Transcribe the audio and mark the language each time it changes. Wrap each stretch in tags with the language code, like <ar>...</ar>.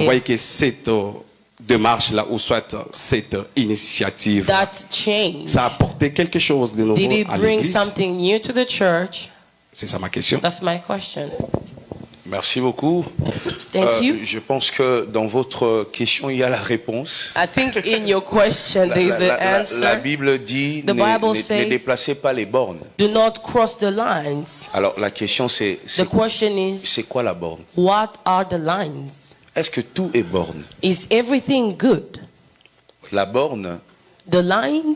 <fr>vous voyez que c'est démarche là où soit cette initiative</fr> <en>that change,</en> <fr>ça a apporté quelque chose de nouveau</fr> <en>did it bring</en> <fr>à l'église</fr> <en>something new to the church?</en> <fr>C'est ça ma question.</fr> <en>That's my question.</en> <fr>Merci beaucoup.</fr> <en>Thank you.</en> <fr>Je pense que dans votre question il y a la réponse.</fr> <en>I think in your question there is the answer.</en> <fr>La Bible dit ne déplacez pas les bornes.</fr> <en>Do not cross the lines.</en> <fr>Alors la question c'est quoi la borne?</fr> <en>What are the lines?</en> <fr>Est-ce que tout est borne?</fr> <en>Is everything good?</en> <fr>La borne,</fr> <en>the lines,</en>